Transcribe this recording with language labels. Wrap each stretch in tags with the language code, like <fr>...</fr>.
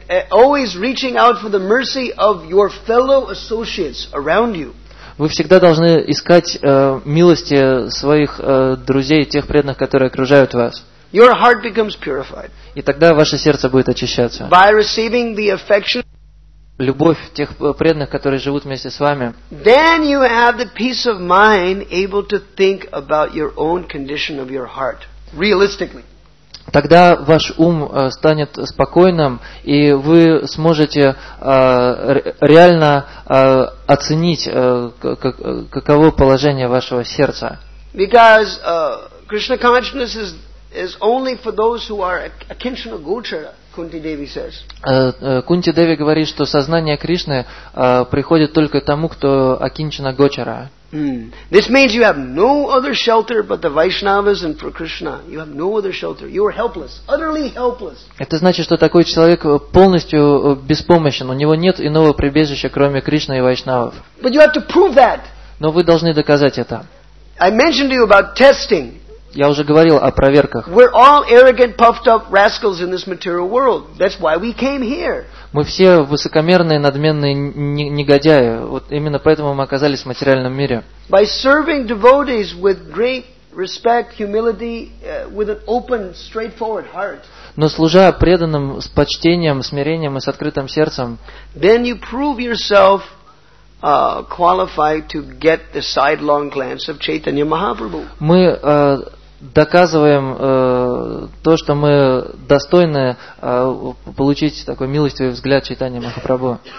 <en>Always reaching out for the mercy of your fellow associates around you.</en> <ru>Вы всегда должны искать милости своих друзей, тех преданных, которые окружают вас.</ru> <en>Your heart becomes purified.</en> <ru>И тогда ваше сердце будет очищаться.</ru> <en>By receiving the affection,</en> <ru>любовь тех преданных, которые живут вместе с вами.</ru> <en>Then you have the peace of mind, able to think about your own condition of your heart realistically.</en> <ru>Тогда ваш ум станет спокойным, и вы сможете реально оценить каково положение вашего сердца.</ru> <en>Because Krishna consciousness is only for those who are akinshana gochara, Kunti Devi says.</en> <ru>Кунти Деви говорит, что сознание Кришны приходит только тому, кто акинчана гочара.</ru> <en>This means you have no other shelter but the Vaishnavas and for Krishna. You have no other shelter. You are helpless, utterly helpless.</en> <ru>Это значит, что такой человек полностью беспомощен. У него нет иного прибежища, кроме Кришны и Вайшнавов.</ru> <en>But you have to prove that.</en> <ru>Но вы должны доказать это.</ru> <en>I mentioned to you about testing.</en> <ru>Я уже говорил о проверках.</ru> <en>We're all arrogant, puffed up rascals in this material world. That's why we came here.</en> <ru>Мы все высокомерные, надменные негодяи. Вот именно поэтому мы оказались в материальном мире.</ru> <en>By serving devotees with great respect, humility, with an open, straightforward heart.</en> <ru>Но служа преданным с почтением, смирением и с открытым сердцем.</ru> <en>Then you prove yourself qualified to get the sidelong glance of Chaitanya Mahaprabhu.</en> <ru>Мы доказываем то, что мы достойны получить такой милостивый взгляд Чайтанья Махапрабху.</ru>